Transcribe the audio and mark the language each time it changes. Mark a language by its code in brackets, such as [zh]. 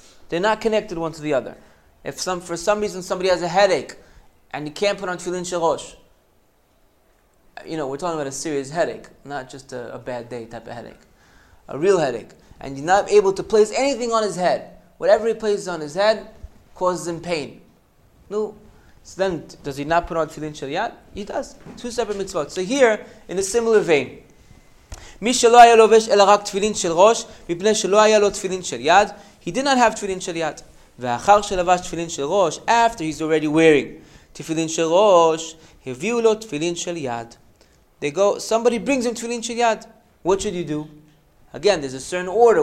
[en] They're not connected one to the other. If some, for some reason somebody has a headache and you can't put on tefillin shel rosh, you know, we're talking about a serious headache, not just a bad day type of headache, a real headache, and you're not able to place anything on his head, whatever he places on his head causes him pain. No. So then, does he not put on tefillin shel yad? He does. Two separate mitzvot. So here, in a similar vein, [he] מי שלא היה לובש אלא רק תפילין של ראש, מפני שלא היה לו תפילין של יד, [en] he did not have tefillin shel yad. [he] ואחר שלבש תפילין של ראש, [en] after he's already wearing tefillin shel rosh, [he] הביאו לו תפילין של יד. [en] They go, somebody brings him tefillin shel yad. What should you do? Again, there's a certain order.